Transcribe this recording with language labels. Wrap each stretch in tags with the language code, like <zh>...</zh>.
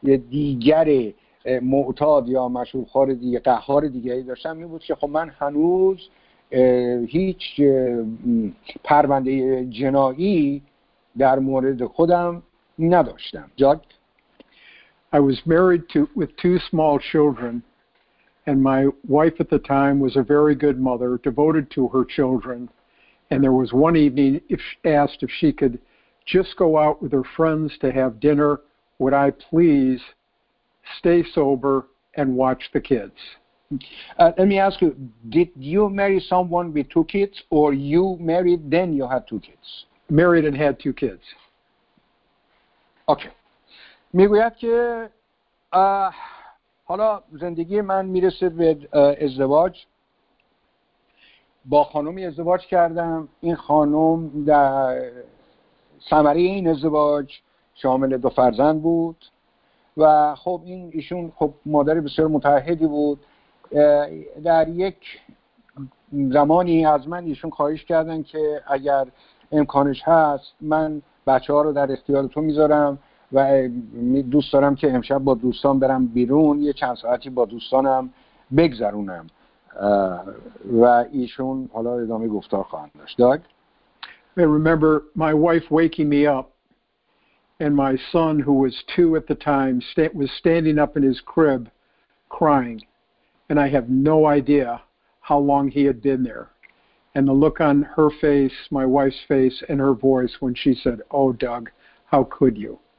<fa>دیگر معتاد یا مشروب خور دیگه قهار دیگری داشتم این بود که خب من هنوز هیچ پرونده جنایی در مورد خودم نداشتم. جاد</fa> <en>I was married with two small children and my wife at the time was a very good mother devoted to her children and there was one evening if asked if she could just go out with her friends to have dinner would I please stay sober and watch the kids. Let me ask you, did you marry someone with two kids or you married then you had two kids? Married and had two kids. Okay.</en> <fa>میگوید که حالا زندگی من میرسه به ازدواج. با خانومی ازدواج کردم. این خانوم در ثمره این ازدواج شامل دو فرزند بود و خب این ایشون خب مادر بسیار متعهدی بود. در یک زمانی از من ایشون خواهش کردن که اگر امکانش هست من بچه ها رو در اختیار تو میذارم و دوست دارم که امشب با دوستان برم بیرون یه چند ساعتی با دوستانم بگذرونم و ایشون حالا ادامه گفتار خواهند داشت. داگ</fa> <en>I remember my wife waking me up and my son who was two at the time was standing up in his crib crying and I have no idea how long he had been there. And the look on her face, my wife's face, and her voice when she said, "Oh, Doug, how could you?"</en>